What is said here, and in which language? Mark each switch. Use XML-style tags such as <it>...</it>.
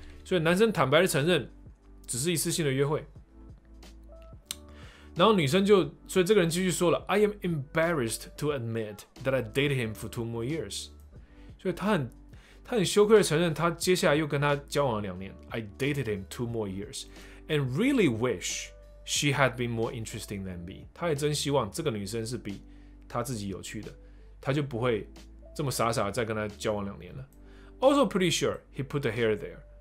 <zh>所以男生坦白的承认，只是一次性的约会。然后女生就，所以这个人继续说了</zh> <en>，I am embarrassed to admit that I dated him for two more years。</en> <zh>所以他很羞愧的承认，他接下来又跟他交往了两年。</zh> <en>I dated him two more years, and really wish she had been more interesting than me。</en> <zh>他也真希望这个女生是比他自己有趣的，他就不会这么傻傻的再跟他交往两年了。</zh> <en>Also pretty sure he put the hair there。</en>